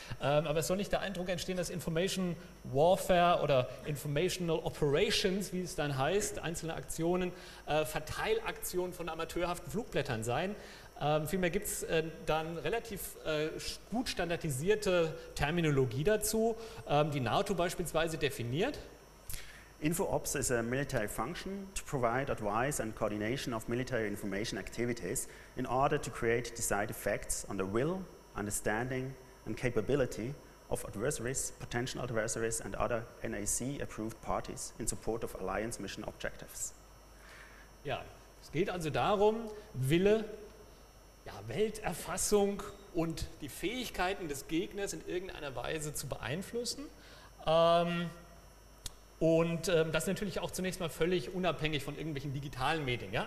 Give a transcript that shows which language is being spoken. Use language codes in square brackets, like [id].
[de] Aber es soll nicht der Eindruck entstehen, dass Information Warfare oder Informational Operations, wie es dann heißt, einzelne Aktionen, Verteilaktionen von amateurhaften Flugblättern seien. Vielmehr gibt es dann relativ gut standardisierte Terminologie dazu, die NATO beispielsweise definiert. [en] InfoOps is a military function to provide advice and coordination of military information activities in order to create desired effects on the will, understanding and capability of adversaries, potential adversaries and other NAC-approved parties in support of alliance mission objectives. [de] Ja, es geht also darum, Wille, ja, Welterfassung und die Fähigkeiten des Gegners in irgendeiner Weise zu beeinflussen. Das natürlich auch zunächst mal völlig unabhängig von irgendwelchen digitalen Medien. Ja?